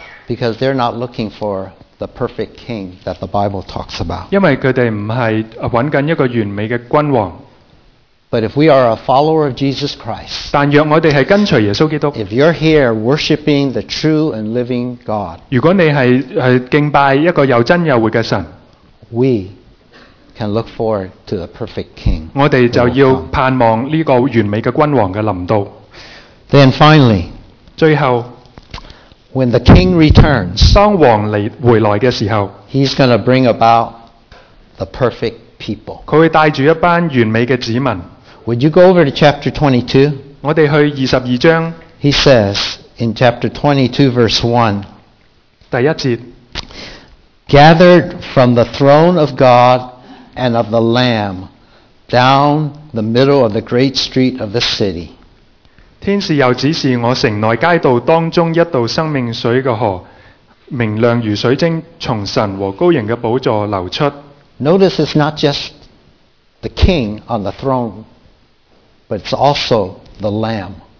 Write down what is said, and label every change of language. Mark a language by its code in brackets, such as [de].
[en] ？Because they're not looking for the perfect king that the Bible talks about. [yue] 因為佢哋唔係揾緊一個完美嘅君王。 [en] But if we are a follower of Jesus Christ, [yue] 但若我哋系跟随耶稣基督 [en] ，if you're here worshiping the true and living God, [yue] 如果你系敬拜一个又真又活嘅神 [en] ，we can look forward to the perfect King. [yue] 我哋就要盼望呢个完美嘅君王嘅临到。 [en] Then finally, [yue] 最后 [en] ，when the King returns, [yue] 当王回来嘅时候 [en] ，he's going to bring about the perfect. [yue] 佢会带住一班完美嘅子民。 [en] Would you go over to chapter 22? [yue] 我哋去二十二章。 [en] He says in chapter 22, verse 1. [yue] 第一节。 [en] Gathered from the throne of God and of the Lamb down the middle of the great street of the city. [yue] 天使又指示我城内街道当中一道生命水嘅河，明亮如水晶，从神和羔羊嘅宝座流出。 [en] Notice it's not just the king on the throne, but it's also the lamb.